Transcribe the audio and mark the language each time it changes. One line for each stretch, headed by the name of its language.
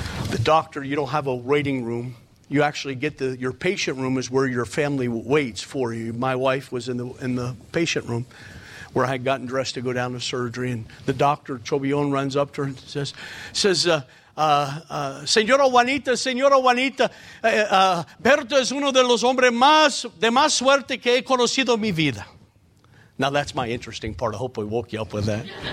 English: The doctor, you don't have a waiting room. You actually get your patient room is where your family waits for you. My wife was in the patient room where I had gotten dressed to go down to surgery.
Spanish: And the doctor, Chobillon, runs up to her and says, Señora Juanita, Berto es uno de los hombres de más suerte que he conocido en mi vida.
English: Now that's my interesting part. I hope we woke you up with that.